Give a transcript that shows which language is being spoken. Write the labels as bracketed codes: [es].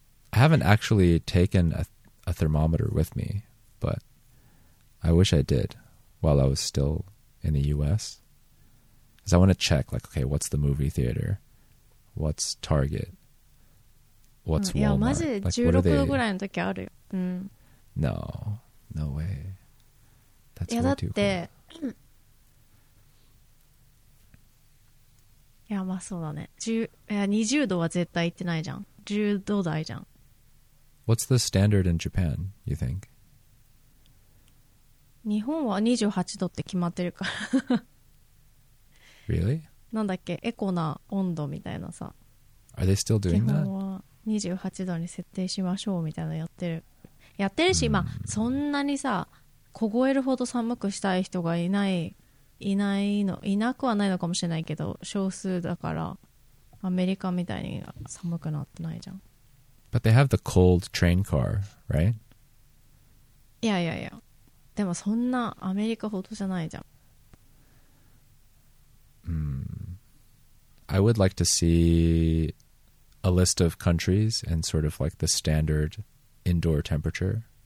[en] I haven't actually taken a thermometer with me, but I wish I did while I was still in the U.S. Because I want to check, like, okay, what's the movie theater? What's Target? What's Walmart? [ja] いや、マジで16度ぐらいの時あるよ。うん。 No, no way. That's too cool. いや、だって、いや、まあそうだね。 20度は絶対行ってないじゃん。 10度台じゃん。 [en] What's the standard in Japan, you think? [ja] 日本は28度って決まってるから。 [en] Really? [ja] なんだっけ、エコな温度みたいなさ。 [en] Are they still doing that? [ja] 基本は28度に設定しましょうみたいなやってる。やってるし、今、そんなにさ、凍えるほど寒くしたい人がいない、いないの、いなくはないのかもしれないけど、少数だから。アメリカみたいに寒くなってないじゃん。 [en] But they have the cold train car, right? [ja] いやいやいや。でもそんなアメリカほどじゃないじゃん。 [en] I would like to see a list of countries and sort of like the standard indoor temperature.